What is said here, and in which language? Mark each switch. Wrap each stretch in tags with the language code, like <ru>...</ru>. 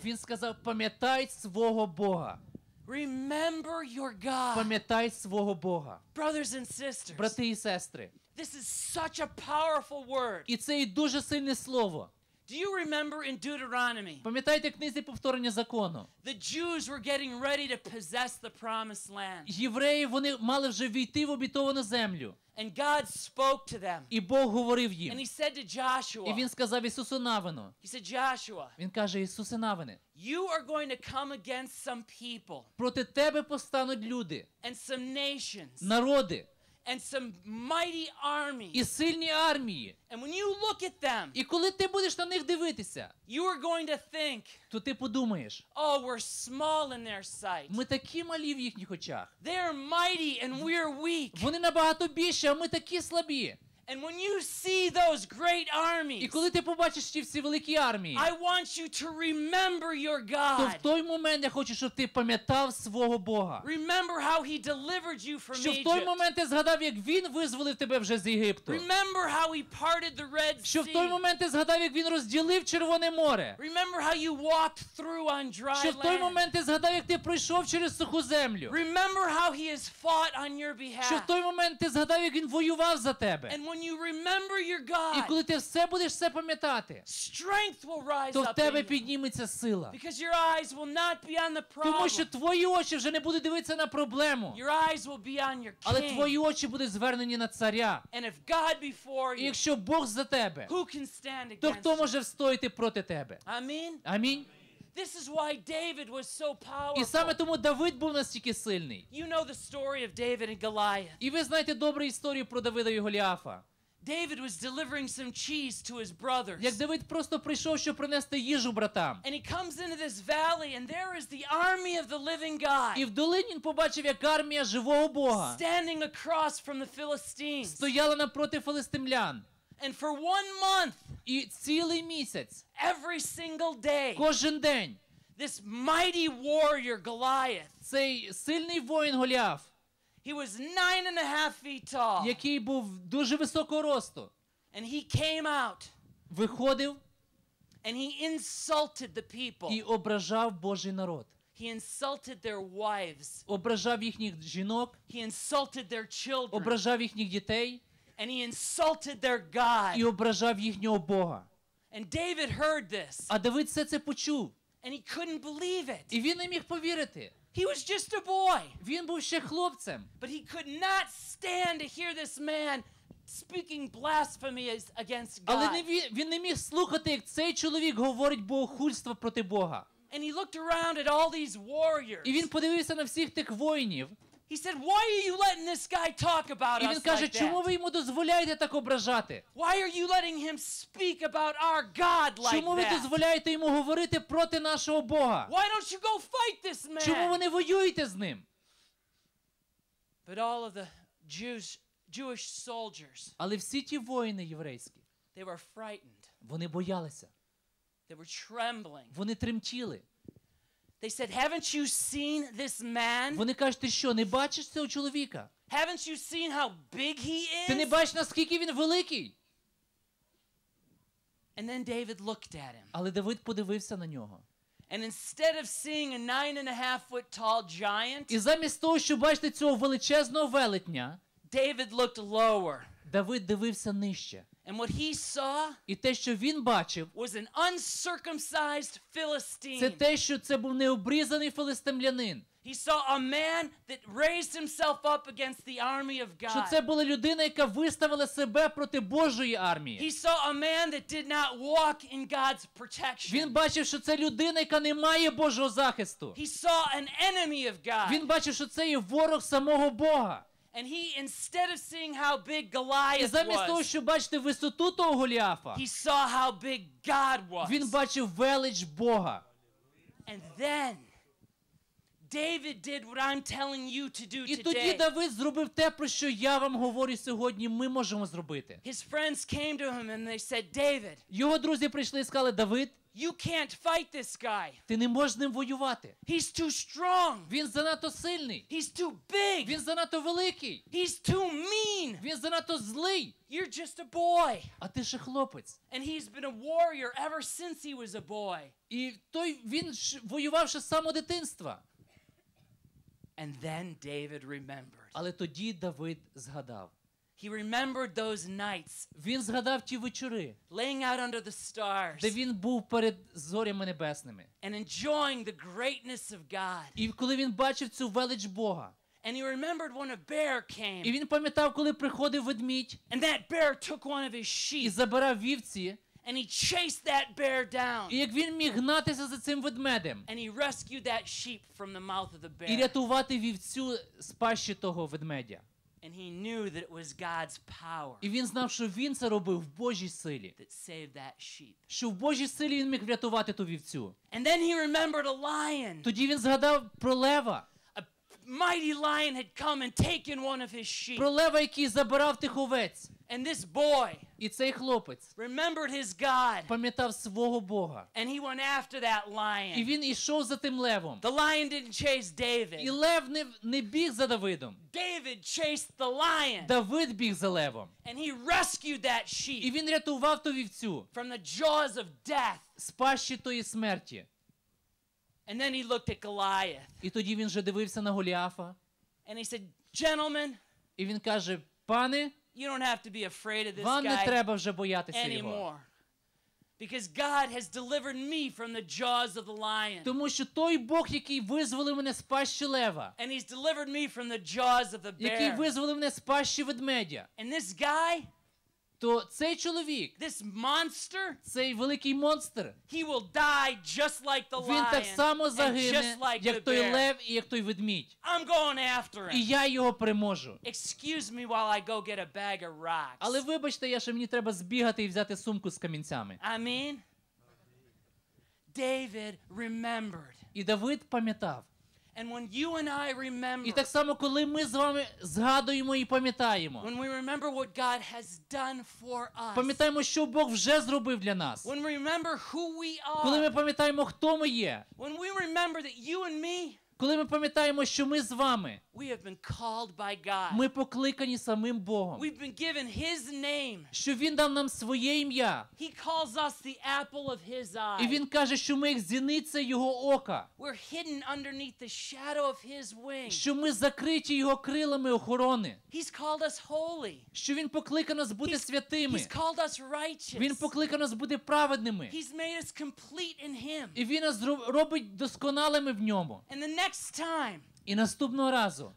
<uk>Він сказав: "Пам'ятай свого Бога."</uk> <en>Remember your God.</en> <uk>Пам'ятай свого Бога.</uk> <en>Brothers and sisters.</en> <uk>Брати і сестри.</uk> <en>This is such a powerful word.</en> <uk>І це дуже сильне слово.</uk> <en>Do you remember in Deuteronomy?</en> <uk>Пам'ятаєте в книзі Повторення закону?</uk> <en>The Jews were getting ready to possess the promised land.</en> <uk>Євреї, вони мали вже війти в обітовану землю.</uk> <en>And God spoke to them.</en> <uk>І Бог говорив їм.</uk> <en>And he said to Joshua.</en> <uk>І він сказав Ісусу Навину.</uk> <en>He said, Joshua.</en> <uk>Він каже: "Ісусе Навине,</uk> <en>you are going to come against some people.</en> <uk>Проти тебе постануть люди.</uk> <en>And some nations.</en> <uk>Народи.</uk> <en>And some mighty armies.</en> <uk>І сильні армії.</uk> <en>And when you look at them.</en> <uk>І коли ти будеш на них дивитися.</uk> <en>You are going to think.</en> <uk>То ти подумаєш.</uk> <en>Oh, we're small in their sight.</en> <uk>Ми такі малі в їхніх очах.</uk> <en>They are mighty and we are weak.</en> <uk>Вони набагато більші, а ми такі слабі.</uk> <en>And when you see those great armies.</en> <uk>І коли ти побачиш ці всі великі армії.</uk> <en>I want you to remember your God.</en> <uk>То в той момент я хочу, щоб ти пам'ятав свого Бога.</uk> <en>Remember how he delivered you from Egypt.</en> <uk>Що в той момент ти згадав, як він визволив тебе вже з Єгипту.</uk> <en>Remember how he parted the Red Sea.</en> <uk>Що в той момент ти згадав, як він розділив Червоне море.</uk> <en>Remember how you walked through on dry land.</en> <uk>Що в той момент ти згадав, як ти пройшов через суху землю.</uk> <en>Remember how he has fought on your behalf.</en> <uk>Що в той момент ти згадав, як він воював за тебе.</uk> <en>When you remember your God.</en> <uk>І коли ти все будеш все пам'ятати.</uk> <en>Strength will rise up.</en> <uk>То в тебе підніметься сила.</uk> <en>Because your eyes will not be on the problem.</en> <uk>Тому що твої очі вже не будуть дивитися на проблему.</uk> <en>Your eyes will be on your king.</en> <uk>Але твої очі будуть звернені на царя.</uk> <en>And if God before you.</en> <uk>І якщо Бог за тебе.</uk> <en>Who can stand against you?</en> <uk>То хто може встояти проти тебе? Амінь. Амінь.</uk> <en>This is why David was so powerful.</en> <uk>І саме тому Давид був настільки сильний.</uk> <en>You know the story of David and Goliath.</en> <uk>І ви знаєте добру історію про Давида і Голіафа.</uk> <en>David was delivering some cheese to his brothers.</en> <uk>Як Давид просто прийшов, щоб принести їжу братам.</uk> <en>And he comes into this valley and there is the army of the living God.</en> <uk>І в долині він побачив, як армія живого Бога.</uk> <en>Standing across from the Philistines.</en> <uk>Стояла напроти філістимлян.</uk> <en>And for one month.</en> <uk>І цілий місяць.</uk> <en>Every single day.</en> <uk>Кожен день.</uk> <en>This mighty warrior Goliath.</en> <uk>Цей сильний воїн Голіаф.</uk> <en>He was 9.5 feet tall.</en> <uk>Який був дуже високого росту.</uk> <en>And he came out.</en> <uk>Виходив.</uk> <en>And he insulted the people.</en> <uk>І ображав Божий народ.</uk> <en>He insulted their wives.</en> <uk>Ображав їхніх жінок.</uk> <en>He insulted their children.</en> <uk>Ображав їхніх дітей.</uk> <en>And he insulted their God.</en> <uk>І ображав їхнього Бога.</uk> <en>And David heard this.</en> <uk>А Давид все це почув.</uk> <en>And he couldn't believe it.</en> <uk>І він не міг повірити.</uk> <en>He was just a boy.</en> <uk>Він був ще хлопцем.</uk> <en>But he could not stand to hear this man speaking blasphemy against God.</en> <uk>Але він не міг слухати, як цей чоловік говорить богохульство проти Бога.</uk> <en>And he looked around at all these warriors.</en> <uk>І він подивився на всіх тих воїнів.</uk> <en>He said, "Why are you letting this guy talk about us?"</en> <uk>І він каже:</uk> <en>like</en> <uk>"Чому ви йому дозволяєте так ображати?"</uk> <en>"Why are you letting him speak about our God like that?"</en> <uk>Чому ви дозволяєте йому говорити проти нашого Бога?</uk> <en>"Why don't you go fight this man?"</en> <uk>Чому ви не воюєте з ним?</uk> <en>But all of the Jewish soldiers.</en> <uk>Але всі ті воїни єврейські.</uk> <en>They were frightened.</en> <uk>Вони боялися.</uk> <en>They were trembling.</en> <uk>Вони тремтіли.</uk> <en>They said, "Haven't you seen this man?"</en> <uk>Вони кажуть: "Ти що, не бачиш цього чоловіка?"</uk> <en>"Haven't you seen how big he is?"</en> <uk>Ти не бачиш, наскільки він великий?</uk> <en>And then David looked at him.</en> <uk>Але Давид подивився на нього.</uk> <en>And instead of seeing a 9.5-foot tall giant,</en> <uk>і замість того, щоб бачити цього величезного велетня,</uk> <en>David looked lower.</en> <uk>Давид дивився нижче.</uk> <en>And what he saw,</en> <uk>і те, що він бачив,</uk> <en>was an uncircumcised Philistine.</en> <uk>Це те, що це був необрізаний філістимлянин.</uk> <en>He saw a man that raised himself up against the army of God.</en> <uk>Що це була людина, яка виставила себе проти Божої армії.</uk> <en>He saw a man that did not walk in God's protection.</en> <uk>Він бачив, що це людина, яка не має Божого захисту.</uk> <en>He saw an enemy of God.</en> <uk>Він бачив, що це є ворог самого Бога.</uk> <en>And he, instead of seeing how big Goliath was,</en> <uk>і замість того, щоб бачити висоту того Голіафа,</uk> <en>he saw how big God was.</en> <uk>Він бачив велич Бога.</uk> <en>And then David did what I'm telling you to do today.</en> <uk>І тоді Давид зробив те, про що я вам говорю сьогодні, ми можемо зробити.</uk> <en>His friends came to him and they said, "David."</en> <uk>Його друзі прийшли і сказали: "Давид,</uk> <en>you can't fight this guy.</en> <uk>Ти не можеш з ним воювати.</uk> <en>He's too strong.</en> <uk>Він занадто сильний.</uk> <en>He's too big.</en> <uk>Він занадто великий.</uk> <en>He's too mean.</en> <uk>Він занадто злий.</uk> <en>You're just a boy.</en> <uk>А ти ж хлопець.</uk> <en>And he's been a warrior ever since he was a boy.</en> <uk>І той він воював ще з самого дитинства.</uk> <en>And then David remembered.</en> <uk>Але тоді Давид згадав.</uk> <en>He remembered those nights.</en> <uk>Він згадав ті вечори.</uk> <en>Laying out under the stars.</en> <uk>Де він був перед зорями небесними.</uk> <en>And enjoying the greatness of God.</en> <uk>І коли він бачив цю велич Бога.</uk> <en>And he remembered when a bear came.</en> <uk>І він пам'ятав, коли приходив ведмідь.</uk> <en>And that bear took one of his sheep.</en> <uk>І забирав вівці.</uk> <en>And he chased that bear down.</en> <uk>І як він міг гнатися за цим ведмедем.</uk> <en>And he rescued that sheep from the mouth of the bear.</en> <uk>І рятувати вівцю з пащі того ведмедя.</uk> <en>And he knew that it was God's power.</en> <uk>І він знав, що він це робив в Божій силі.</uk> <en>That saved that sheep.</en> <uk>Що в Божій силі він міг врятувати ту вівцю.</uk> <en>And then he remembered a lion.</en> <uk>Тоді він згадав про лева.</uk> <en>A mighty lion had come and taken one of his sheep.</en> <uk>Про лева, який забирав тих овець.</uk> <en>And this boy,</en> <uk>і цей хлопець,</uk> <en>remembered his God,</en> <uk>пам'ятав свого Бога.</uk> <en>And he went after that lion.</en> <uk>І він ішов за тим левом.</uk> <en>The lion didn't chase David.</en> <uk>І лев не біг за Давидом.</uk> <en>David chased the lion.</en> <uk>Давид біг за левом.</uk> <en>And he rescued that sheep.</en> <uk>І він рятував ту вівцю.</uk> <en>From the jaws of death.</en> <uk>З пащі тої смерті.</uk> <en>And then he looked at Goliath.</en> <uk>І тоді він вже дивився на Голіафа.</uk> <en>And he said, "Gentlemen."</en> <uk>І він каже: "Пане,</uk> <en>you don't have to be afraid of this</en> <uk>вам</uk> <en>guy</en> <uk>не треба вже боятися</uk> <en>anymore.</en> <uk>Його.</uk> <en>Because God has delivered me from the jaws of the lion.</en> <uk>Тому що той Бог, який визволив мене з пащі лева.</uk> <en>And he's delivered me from the jaws of the bear.</en> <uk>Який визволив мене з пащі ведмедя.</uk> <en>And this guy,</en> <uk>то цей чоловік,</uk> <en>this monster,</en> <uk>цей великий монстр,</uk> <en>he will die just like the lion.</en> <uk>Він так само загине,</uk> <en>like</en> <uk>як той лев і як той ведмідь.</uk> <en>I'm going after him.</en> <uk>І я його переможу.</uk> <en>Excuse me while I go get a bag of rocks.</en> <uk>Але вибачте, я ще мені треба збігати і взяти сумку з камінцями.</uk> <en>Amen. David remembered.</en> <uk>І Давид пам'ятав.</uk> <en>And when you and I remember,</en> <uk>і так само, коли ми з вами згадуємо і пам'ятаємо,</uk> <en>when we remember what God has done for us,</en> <uk>пам'ятаємо, що Бог вже зробив для нас,</uk> <en>when we remember who we are,</en> <uk>коли ми пам'ятаємо, хто ми є,</uk> <en>when we remember that you and me,</en> <uk>коли ми пам'ятаємо, що ми з вами,</uk> <en>we have been called by God,</en> <uk>ми покликані самим Богом,</uk> <en>we've been given his name,</en> <uk>що він дав нам своє ім'я,</uk> <en>he calls us the apple of his eye,</en> <uk>і він каже, що ми як зіниця його ока,</uk> <en>we're hidden underneath the shadow of his wing,</en> <uk>що ми закриті його крилами охорони,</uk> <en>he's called us holy,</en> <uk>що він покликав нас бути святими,</uk> <en>he's called us righteous,</en> <uk>він покликав нас бути праведними,</uk> <en>he's made us complete in him,</en> <uk>і він нас робить досконалими в ньому.</uk> <en>Next time,</en> <uk>і наступного разу,</uk>